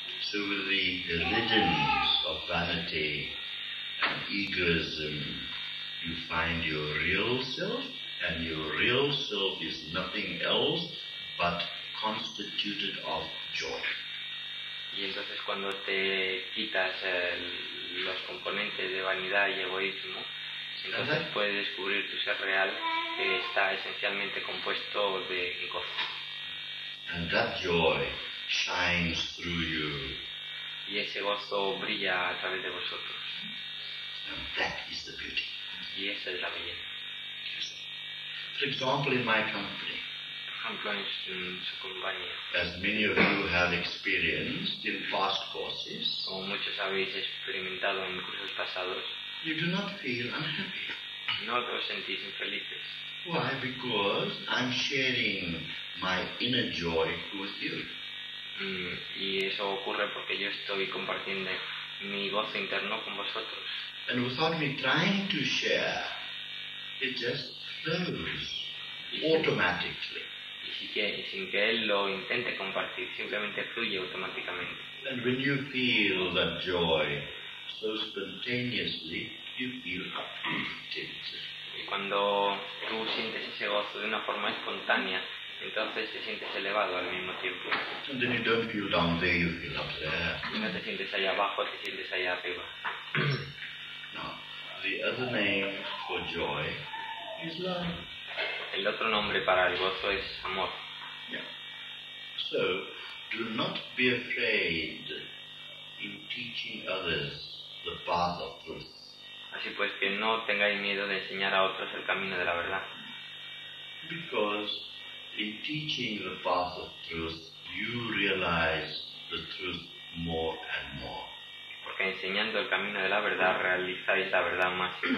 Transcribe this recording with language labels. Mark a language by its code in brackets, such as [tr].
[en] So with the religions of vanity and egoism, you find your real self, and your real self is nothing else but constituted of joy. [es] Y entonces cuando te quitas los componentes de vanidad y egoísmo, entonces puedes descubrir tu ser real, que está esencialmente compuesto de gozo. [en] And that joy shines through you. [es] Y ese gozo brilla a través de vosotros. [en] And that is the beauty. [es] Y esa es la belleza. [en] Yes. For example, in my company, as many of you have experienced in past courses, [es] como muchos habéis experimentado en cursos pasados, [en] you do not feel unhappy. [es] No os sentís infelices. [en] Why? Because I'm sharing my inner joy with you. [es] Y eso ocurre porque yo estoy compartiendo mi gozo interno con vosotros. [en] And without me trying to share, it just flows automatically. [es] Sin que él lo intente compartir, simplemente fluye automáticamente. [en] And when you feel that joy so spontaneously, you feel uplifted. [es] Y cuando tú sientes ese gozo de una forma espontánea, entonces te sientes elevado al mismo tiempo. [en] And then you don't feel down there, you feel up there. [es] Y no te sientes allá abajo, te sientes allá arriba. [en] Now, the other name for joy is love. [es] El otro nombre para el gozo es amor. [en] Yeah. So, do not be afraid in teaching others the path of truth. [es] Así pues, que no tengáis miedo de enseñar a otros el camino de la verdad. [en] Because in teaching the path of truth, you realize the truth more and more. [es] Porque enseñando el camino de la verdad, realizáis la verdad más.